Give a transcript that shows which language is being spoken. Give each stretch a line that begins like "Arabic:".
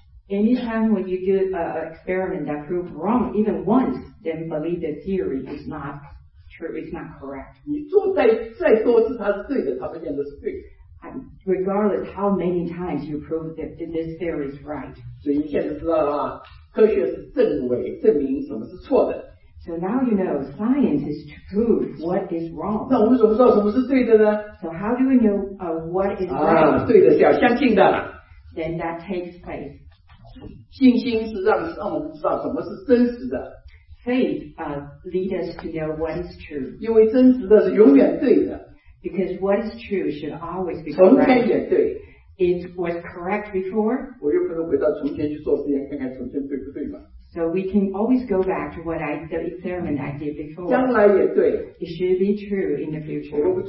English: Anytime when you do an experiment that proves wrong, even once, then believe the theory is not. It's not correct.
Chinese: 你做再多次它是对的，它不见得是对的。
English: Regardless how many times you prove that this theory is right.
Chinese: 所以你现在知道了啊，科学是证伪，证明什么是错的。So
English: now you know science is to prove what is wrong.
Chinese: 那我们怎么知道什么是对的呢？
English: So how do we know what is right?
Chinese: 啊，对的是要相信的。Then
English: that takes faith.
Chinese: 信心是让我们知道什么是真实的。
English: Faith lead us to know what is true.
Chinese: 因为真实的是永远对的。
English: Because what is true should always be
Chinese: 从前也对。
English: It was correct before.
Chinese: 我又不能回到从前去做实验，看看从前对不对嘛。
English: So we can always go back to what the experiment I did before.
Chinese: 将来也对。
English: It should be true in the future.